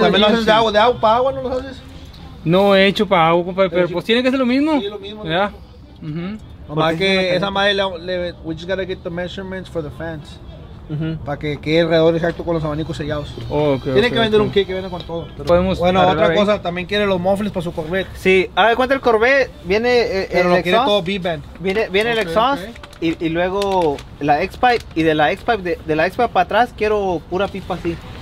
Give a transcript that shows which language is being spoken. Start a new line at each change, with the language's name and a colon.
Spanish: ¿También lo haces de agua? ¿De agua para agua no lo haces? No he hecho para agua, compadre, pero pues tiene que ser lo mismo. Sí, lo mismo. Ya. Para que esa madre le.
English: We just gotta get the measurements for the fans. Uh-huh.
Spanish: Para que quede alrededor exacto con los abanicos sellados. Oh, okay, tiene que vender un kit que viene con todo. Pero, podemos bueno, otra ahí. Cosa, también quiere los muffles para su Corvette. Sí, a ver, cuenta el Corvette. Viene pero el lo quiere todo B-band. Viene el exhaust y luego la X-Pipe. Y de la X-Pipe para atrás quiero pura pipa así.